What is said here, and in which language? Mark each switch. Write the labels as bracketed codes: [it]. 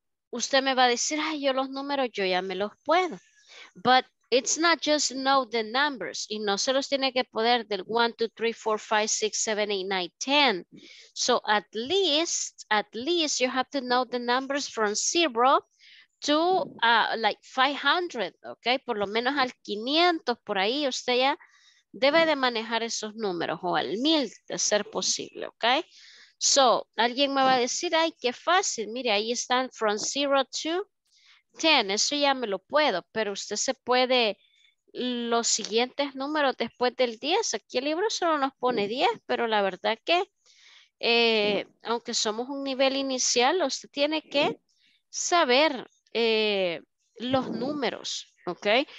[es] Usted me va a decir, ay, yo los números, yo ya me los puedo. [en] But it's not just know the numbers. [es] Y no se los tiene que poder del 1, 2, 3, 4, 5, 6, 7, 8, 9, 10. [en] So at least you have to know the numbers from 0 to like 500. [es] Okay, por lo menos al 500, por ahí usted ya debe de manejar esos números. O al 1000, de ser posible. Okay. So, alguien me va a decir, ay, qué fácil, mire, ahí están [en] from 0 to 10, [es] eso ya me lo puedo, pero usted se puede, los siguientes números después del 10, aquí el libro solo nos pone 10, pero la verdad que, aunque somos un nivel inicial, usted tiene que saber los números, ¿ok?